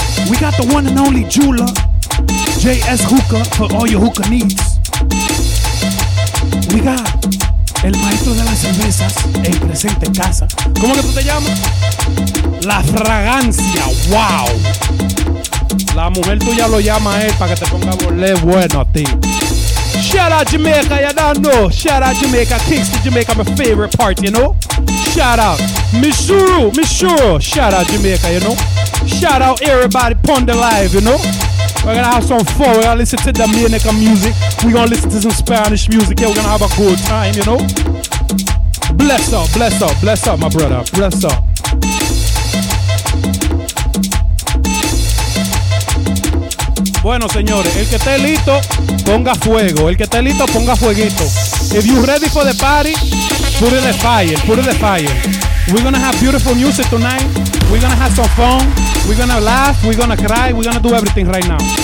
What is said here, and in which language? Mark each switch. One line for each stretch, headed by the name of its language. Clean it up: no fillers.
English: We got the one and only Jula, JS Hookah, for all your hookah needs.
Spanish: We got El Maestro de las Cervezas, El Presente Casa. ¿Cómo que tú te llamas? La Fragancia, wow. La mujer tuya lo llama a él para que te ponga a volver bueno a ti.
English: Shout out Jamaica, you don't know. Shout out Jamaica, Kingston, Jamaica, my favorite part, you know. Shout out Missouri, Missouri. Shout out Jamaica, you know. Shout out everybody pon the live, you know. We're gonna have some fun. We're gonna listen to Dominican music. We're gonna listen to some Spanish music. Yeah, we're gonna have a good time, you know. Bless up, bless up, bless up, my brother. Bless up.
Spanish: Bueno, señores, el que esté listo, ponga fuego. El que esté listo, ponga fueguito.
English: If you're ready for the party, put it the fire, put it the fire. We're gonna have beautiful music tonight. We're gonna have some fun. We're gonna laugh, we're gonna cry, we're gonna do everything right now.